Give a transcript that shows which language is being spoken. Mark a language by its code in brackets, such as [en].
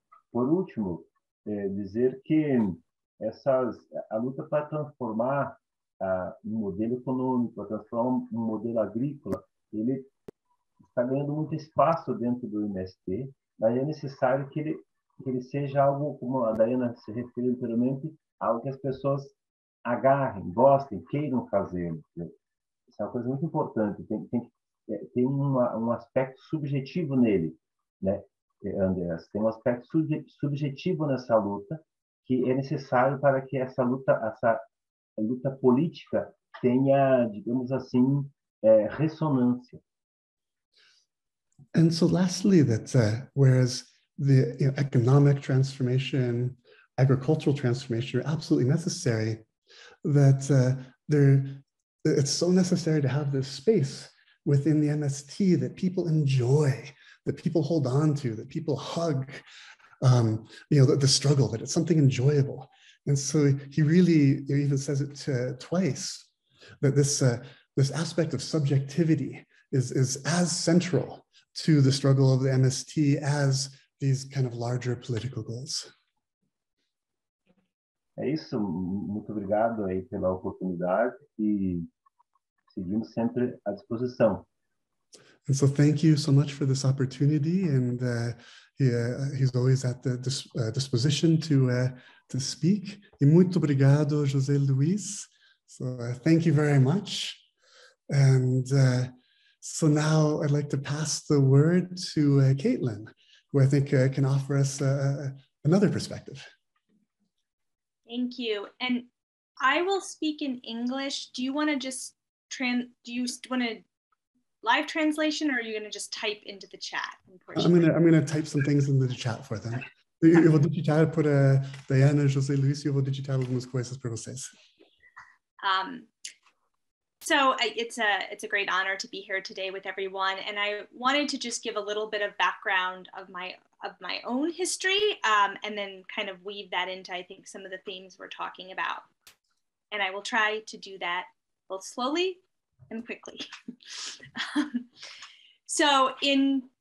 [pt] Por último, dizer que a luta para transformar um modelo econômico, para transformar um modelo agrícola, ele está ganhando muito espaço dentro do MST, mas é necessário que ele seja algo, como a Dayana se referiu anteriormente, algo que as pessoas agarrem, gostem, queiram fazer. Isso é uma coisa muito importante. Tem um aspecto subjetivo nele, né, Andreas? Tem um aspecto subjetivo nessa luta que é necessário para que essa luta política tenha, digamos assim, ressonância. [en] And so lastly, that whereas the economic transformation, agricultural transformation are absolutely necessary, that it's so necessary to have this space within the MST that people enjoy, that people hold on to, that people hug, the struggle, that it's something enjoyable. And so he really even says it twice, that this aspect of subjectivity is as central to the struggle of the MST as these kind of larger political goals. [pt] É isso, muito obrigado aí pela oportunidade e seguimos sempre à disposição. [en] And so thank you so much for this opportunity, and he's always at the disposition to speak. [pt] E muito obrigado, [en] José Luiz. So thank you very much. And so now I'd like to pass the word to Caitlin, who I think can offer us another perspective. Thank you. And I will speak in English. Do you want to just do you want a live translation, or are you going to just type into the chat? I'm going to type some things into the chat for them. Okay. [pt] Eu vou digitar para Diana, José Luis, eu vou digitar algumas coisas para vocês. [en] So it's a great honor to be here today with everyone, and I wanted to just give a little bit of background of my own history, and then kind of weave that into, I think, some of the themes we're talking about. And I will try to do that both slowly and quickly. So in